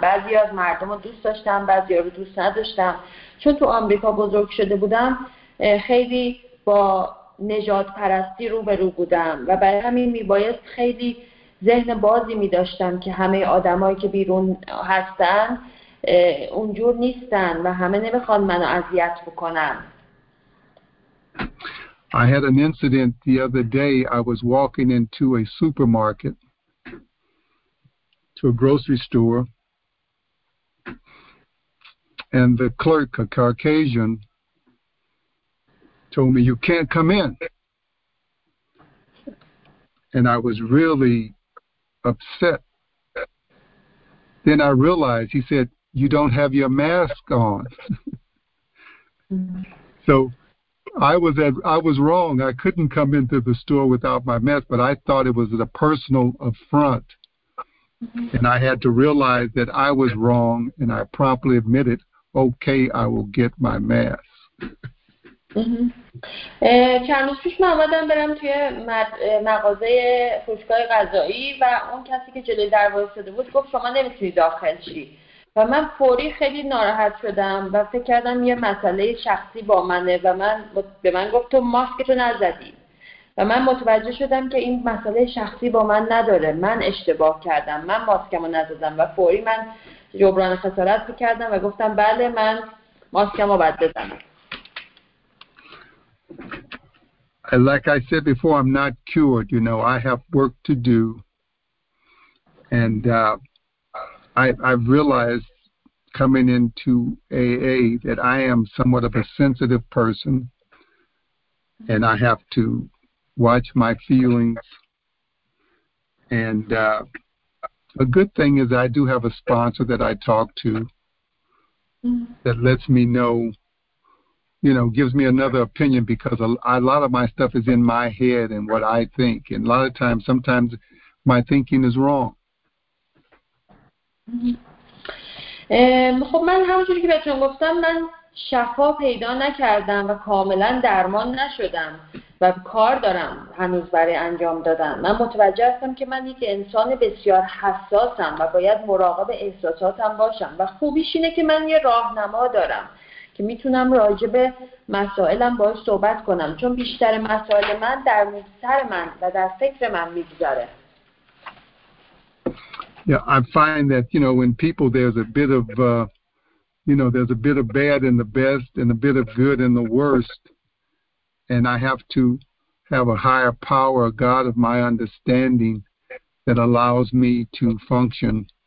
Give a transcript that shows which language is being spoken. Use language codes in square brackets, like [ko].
[fa] بعضی از مردم رو دوست داشتم، بعضی رو دوست نداشتم. چون تو آمریکا بزرگ شده بودم، خیلی با نژاد پرستی روبرو بودم و برای همین میبایست خیلی ذهن بازی می‌داشتم که همه آدمایی که بیرون هستن اونجور نیستن و همه نمی‌خوان منو اذیت بکنن. [en] I had an incident the other day. I was walking into a supermarket, to a grocery store, and the clerk, a Caucasian, told me, "You can't come in." And I was really upset. Then I realized, he said, "You don't have your mask on." So I was wrong. I couldn't come into the store without my mask, but I thought it was a personal affront. And I had to realize that I was wrong, and I promptly admitted, okay, I will get my mask. [fa] چند روز پیش من آمدم برم توی مغازه فروشگاه غذایی و اون کسی که جلوی در وایساده بود گفت شما نمیتونید داخل شی. و من فوری خیلی ناراحت شدم و فکر کردم یه مسئله شخصی با منه و من به من گفت تو ماسکتو نزدی و من متوجه شدم که این مسئله شخصی با من نداره، من اشتباه کردم، من ماسکمو نزدم و فوری من جبران خسارت کردم و گفتم بله من ماسکمو باید بزنم. [en] Like I said before, I'm not cured, you know, I have work to do and I've realized coming into AA that I am somewhat of a sensitive person and I have to watch my feelings. And a good thing is I do have a sponsor that I talk to that lets me know, you know, gives me another opinion because a lot of my stuff is in my head and what I think. And a lot of times, sometimes my thinking is wrong. [fa] خب من همونجوری که بهتون گفتم من شفا پیدا نکردم و کاملا درمان نشدم و کار دارم هنوز برای انجام دادن. من متوجه هستم که من یک انسان بسیار حساسم و باید مراقب احساساتم باشم و خوبیش اینه که من یه راهنما دارم که میتونم راجع به مسائلم باهاش صحبت کنم، چون بیشتر مسائل من در سر من و در فکر من میگذره. [en] Yeah, I find that, you know, when people, there's a bit of, you know, there's a bit of bad in the best and a bit of good in the worst. And I have to have a higher power, a God of my understanding that allows me to function.